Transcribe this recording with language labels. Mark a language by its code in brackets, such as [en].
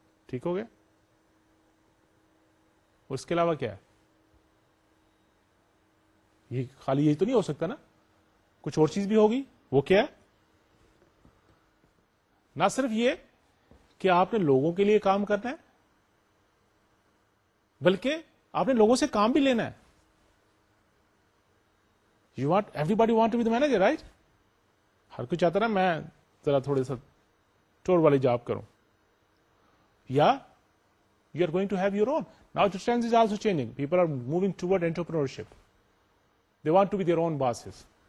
[ur] ٹھیک ہو گیا؟ اس کے علاوہ کیا ہے؟ یہ خالی یہی تو نہیں ہو سکتا نا, کچھ اور چیز بھی ہوگی. وہ کیا ہے؟ نہ صرف یہ کہ آپ نے لوگوں کے لیے کام کرنا ہے, بلکہ آپ نے لوگوں سے کام بھی لینا ہے. [en] You want, everybody want to be the manager, right? [ur] ہر کوئی چاہتا نا میں ذرا تھوڑے سا ٹور والی جاب کروں. [en] یا you are going to have your own. Now trend is also changing, people are moving toward entrepreneurship, they want to be their own bosses.